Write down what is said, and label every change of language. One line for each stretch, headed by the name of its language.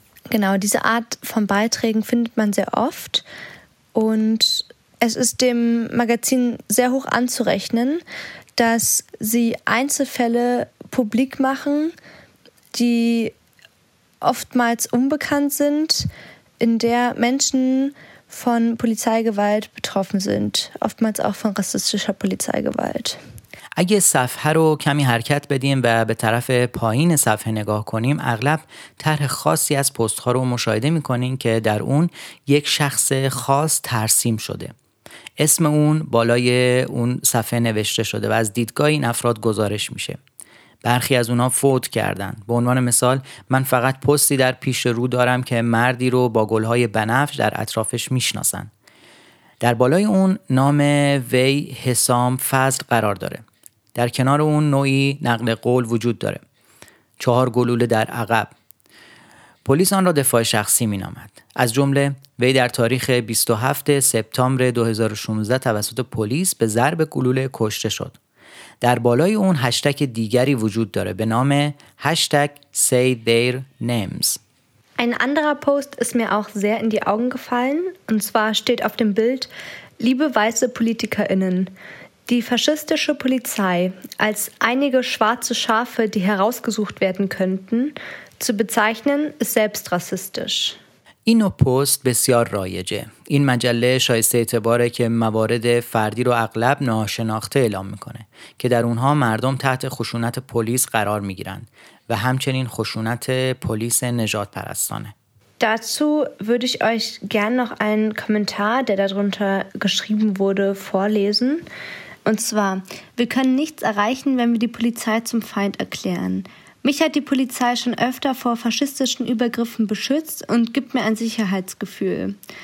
German: Genau, diese Art von Beiträgen findet man sehr oft. Und es ist dem Magazin sehr hoch anzurechnen, dass sie Einzelfälle publik machen, die oftmals unbekannt sind, in der Menschen von Polizeigewalt betroffen sind, oftmals auch von rassistischer Polizeigewalt.
Persian: اگه صفحه رو کمی حرکت بدیم و به طرف پایین صفحه نگاه کنیم، اغلب طرح خاصی از پست‌ها رو مشاهده می‌کنین که در اون یک شخص خاص ترسیم شده. اسم اون بالای اون صفحه نوشته شده و از دیدگاه این افراد گزارش میشه. برخی از اونا فوت کردن. به عنوان مثال من فقط پستی در پیش رو دارم که مردی رو با گلهای بنفش در اطرافش میشناسن. در بالای اون نام وی حسام فضل قرار داره. در کنار اون نوعی نقل قول وجود داره. 4 گلوله در عقب. پلیس آن را دفاع شخصی می نامد. از جمله وی در تاریخ 27 سپتامبر 2016 توسط پلیس به ضرب گلوله کشته شد. در بالای اون هشتگ دیگری وجود داره به نام هشتگ Say Their Names.
German: Ein anderer Post ist mir auch sehr in die Augen gefallen. Und zwar steht auf dem Bild, liebe weiße PolitikerInnen, die faschistische Polizei als einige schwarze Schafe, die herausgesucht werden könnten, zu bezeichnen, ist selbst rassistisch.
Persian: این پست بسیار رایجه. این مجله شایسته اعتباره که موارد فردی رو اغلب ناشناخته اعلام میکنه که در اونها مردم تحت خشونت پلیس قرار میگیرن و همچنین خشونت پلیس نجات پرستانه.
German: Dazu würde ich euch gern noch einen Kommentar, der darunter geschrieben wurde, vorlesen. Und zwar, wir können nichts erreichen, wenn wir die Polizei zum Feind erklären. Mich hat die Polizei schon öfter vor faschistischen Übergriffen beschützt und gibt mir ein Sicherheitsgefühl.